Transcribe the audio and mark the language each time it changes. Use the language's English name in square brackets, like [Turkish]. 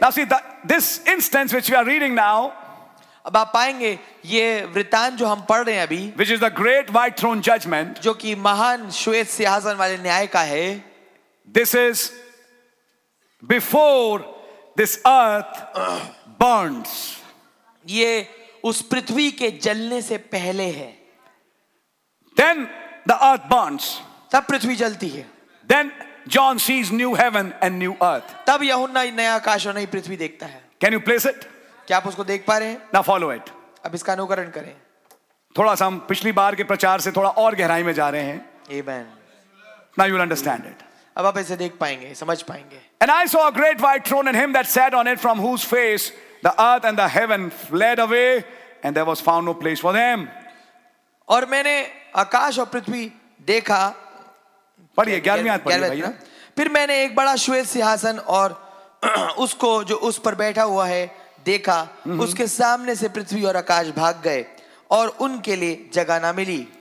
[English] Now see that this instance which we are reading now. [Hindi] अब आप पाएंगे ये वृतांत जो हम पढ़ रहे हैं अभी. [English] Which is the great white throne judgment. [Hindi] जो कि महान श्वेत सिंहासन वाले न्याय का है. [English] This is before this earth burns. [Hindi] ये उस पृथ्वी के जलने से पहले है. [English] Then the earth burns. [Hindi] तब पृथ्वी जलती है. [English] Then John sees new heaven and new earth. [Hindi] तब यूहन्ना नया आकाश और नई पृथ्वी देखता है. [English] Can you place it? [Hindi] क्या आप उसको देख पा रहे हैं? [English] Now follow it. [Hindi] अब इसका अनुकरण करें. थोड़ा सा हम पिछली बार के प्रचार से थोड़ा और गहराई में जा रहे हैं. [English] Amen. Now you'll understand it. [Hindi] अब आप इसे देख पाएंगे, समझ पाएंगे. [English] And I saw a great white throne and him that sat on it, from whose face the earth and the heaven fled away, and there was found no place for them. [Hindi] और मैंने आकाश और पृथ्वी देखा. पढ़िए, ग्यारहवीं आयत पढ़िए भाई. फिर मैंने एक बड़ा श्वेत सिंहासन और उसको जो उस पर बैठा हुआ है देखा. उसके सामने से पृथ्वी और आकाश भाग गए और उनके लिए जगह ना मिली.